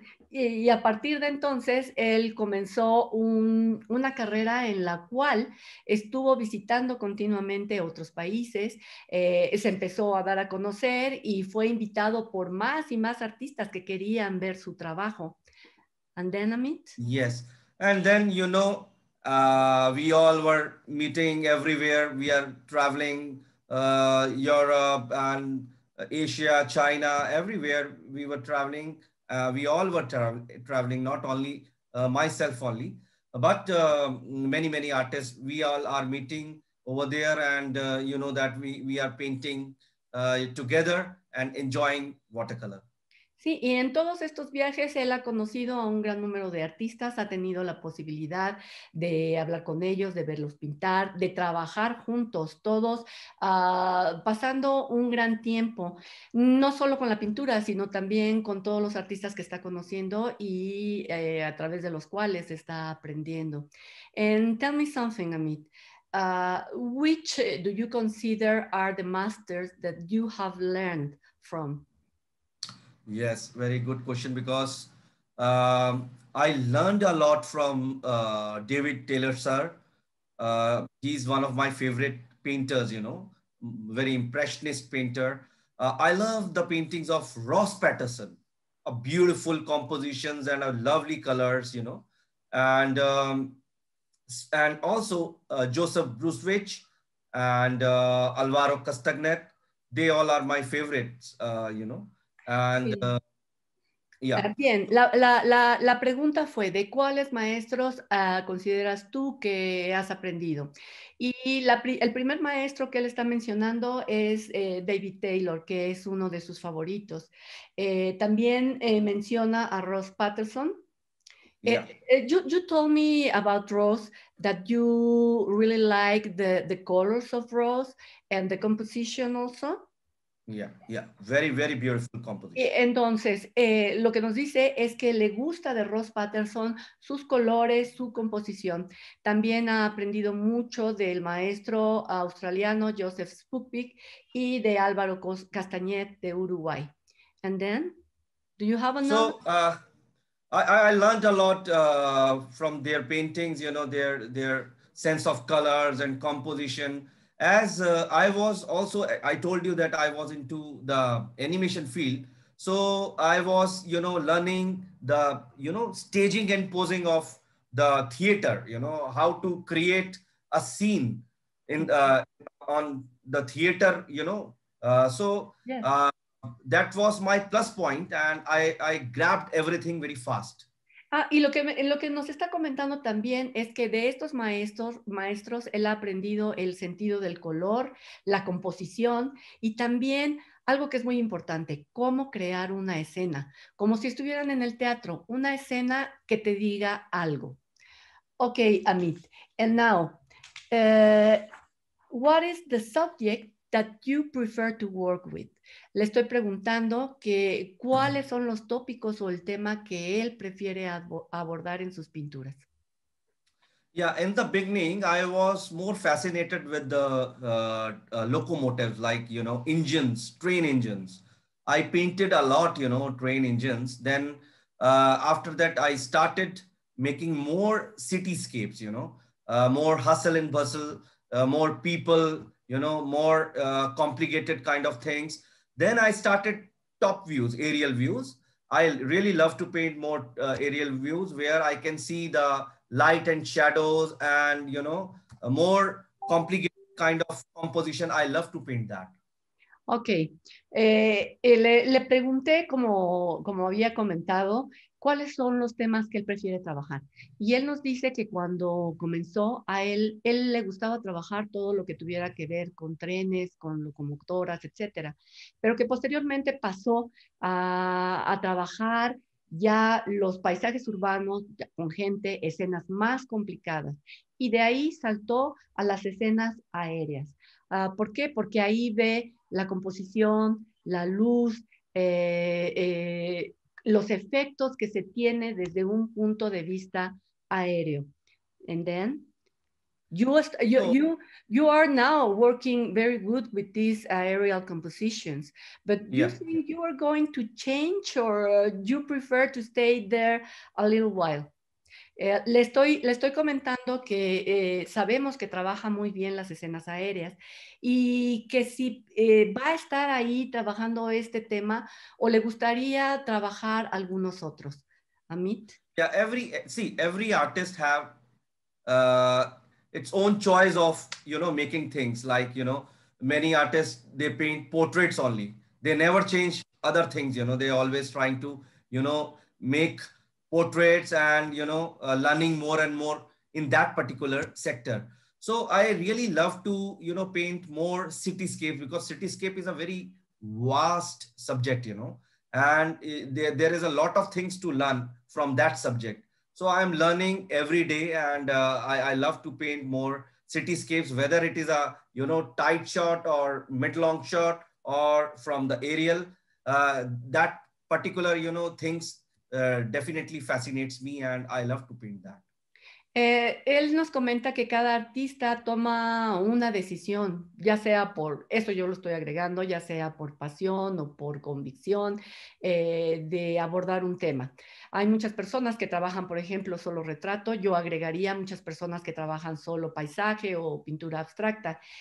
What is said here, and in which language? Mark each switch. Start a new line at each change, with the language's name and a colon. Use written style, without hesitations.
Spanish: Y a partir de entonces, él comenzó una carrera en la cual estuvo visitando continuamente otros países, se empezó a dar a conocer y fue invitado por más y más artistas que querían ver su trabajo.
English: And then Amit? Yes. And then, you know, we all were meeting everywhere. We are traveling Europe and Asia, China, everywhere we were traveling. We all were traveling, not only myself only, but many, many artists. We all are meeting over there and you know that we are painting together and enjoying watercolor.
Spanish: Sí, y en todos estos viajes él ha conocido a un gran número de artistas, ha tenido la posibilidad de hablar con ellos, de verlos pintar, de trabajar juntos todos, pasando un gran tiempo, no solo con la pintura, sino también con todos los artistas que está conociendo y a través de los cuales está aprendiendo.
English: And tell me something, Amit. Which do you consider are the masters that you have learned from? Yes, very good question, because I learned a lot from David Taylor, sir. He's one of my favorite painters, you know, very impressionist painter. I love the paintings of Ross Patterson, a beautiful compositions and a lovely colors, you know. And also Joseph Brusewich and Alvaro Castagnet, they all are my favorites, you know.
Spanish: Bien, la pregunta fue, ¿de cuáles maestros consideras tú que has aprendido? Y el primer maestro que él está mencionando es David Taylor, que es uno de sus favoritos. También menciona a Ross Patterson.
English: You told me about Ross, that you really like the colors of Ross and the composition also. Very, very beautiful composition.
Spanish: Entonces, lo que nos dice es que le gusta de Ross Patterson sus colores, su composición. También ha aprendido mucho del maestro australiano Joseph Spupik y de Álvaro Castañet de Uruguay.
English: And then, do you have another? So, I learned a lot from their paintings, you know, their sense of colors and composition. As I was also, I told you that I was into the animation field. So I was, you know, learning the, you know, staging and posing of the theater, you know, how to create a scene in on the theater, you know. That was my plus point, and I grabbed everything very fast.
Spanish: Y lo que nos está comentando también es que de estos maestros, él ha aprendido el sentido del color, la composición, y también algo que es muy importante, cómo crear una escena, como si estuvieran en el teatro, una escena que te diga algo.
English: Okay, Amit, and now, what is the subject that you prefer to work with?
Spanish: Le estoy preguntando que cuáles son los tópicos o el tema que él prefiere abordar en sus pinturas.
English: Yeah, in the beginning, I was more fascinated with the locomotives, like, you know, engines, train engines. I painted a lot, you know, train engines. Then after that, I started making more cityscapes, you know, more hustle and bustle, more people, you know, more complicated kind of things. Then I started top views, aerial views. I really love to paint more aerial views where I can see the light and shadows and, you know, a more complicated kind of composition. I love to paint that. Okay.
Spanish: Le pregunté, como había comentado, ¿cuáles son los temas que él prefiere trabajar? Y él nos dice que cuando comenzó, a él le gustaba trabajar todo lo que tuviera que ver con trenes, con locomotoras, etcétera. Pero que posteriormente pasó a trabajar ya los paisajes urbanos con gente, escenas más complicadas. Y de ahí saltó a las escenas aéreas. ¿Por qué? Porque ahí ve la composición, la luz, los efectos que se tiene desde un punto de vista aéreo.
English: And then you are now working very good with these aerial compositions, but do you think you are going to change or you prefer to stay there a little while?
Spanish: Le estoy comentando que sabemos que trabaja muy bien las escenas aéreas y que si va a estar ahí trabajando este tema o le gustaría trabajar algunos otros.
English: Amit. Yeah, every artist have its own choice of, you know, making things, like, you know, many artists, they paint portraits only. They never change other things, you know, they always trying to, you know, make portraits and, you know, learning more and more in that particular sector. So I really love to, you know, paint more cityscape, because cityscape is a very vast subject, you know, and there is a lot of things to learn from that subject. So I'm learning every day, and I love to paint more cityscapes, whether it is a, you know, tight shot or mid-long shot or from the aerial, that particular, you know, things definitely fascinates me, and I love to paint that.
Spanish: Él nos comenta que cada artista toma una decisión, ya sea por, eso yo lo estoy agregando, ya sea por pasión o por convicción de abordar un tema. Hay muchas personas que trabajan, por ejemplo, solo retrato. Yo agregaría muchas personas que trabajan solo paisaje o pintura abstracta.